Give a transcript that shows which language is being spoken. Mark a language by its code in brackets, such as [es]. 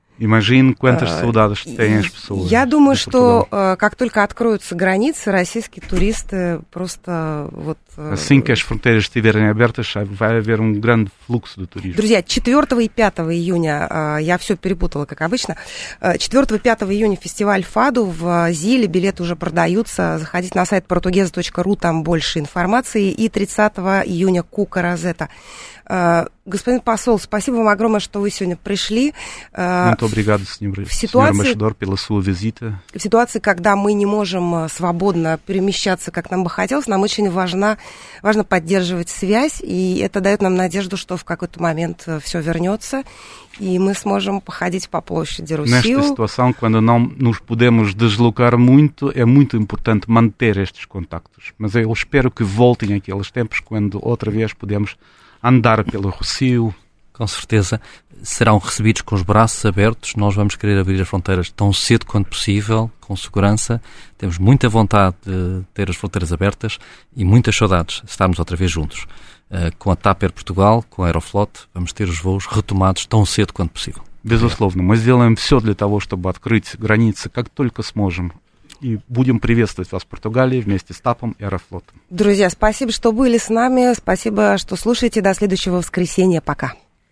[pt] Imagine quantas saudades têm as pessoas. [ru] Я думаю, что как только откроются границы, российские туристы просто вот... [pt] Assim que as fronteiras estiverem abertas, vai haver grande fluxo de turismo. [ru] Друзья, 4 и 5 июня, я все перепутала, как обычно, 4 и 5 июня фестиваль ФАДУ в Зиле, билеты уже продаются, заходите на сайт portugueza.ru, там больше информации, и 30 июня Кука Розетта. Господин посол, спасибо вам огромное, что вы сегодня пришли. [pt] Muito obrigado, senhor embaixador, pela sua visita. [ru] В ситуации, когда мы не можем свободно перемещаться, как нам бы хотелось, нам очень важно поддерживать связь, и это дает нам надежду, что в какой-то момент все вернется, и мы сможем походить по площади Руси. [pt] Nesta situação, quando não nos podemos deslocar muito, é muito importante manter estes contactos. Mas eu espero que voltem aqueles tempos quando outra vez podemos andar pelo Rossio. Com certeza. Serão recebidos com os braços abertos. Nós vamos querer abrir as fronteiras tão cedo quanto possível, com segurança. Temos muita vontade de ter as fronteiras abertas e muitas saudades de estarmos outra vez juntos. Com a TAP Air Portugal, com a Aeroflot, vamos ter os voos retomados tão cedo quanto possível. [ru] Безусловно. Мы сделаем все для того, чтобы открыть границы, как только сможем. И будем приветствовать вас в Португалии вместе с ТАПом и Аэрофлотом. Друзья, спасибо, что были с нами. Спасибо, что слушаете. До следующего воскресенья. Пока.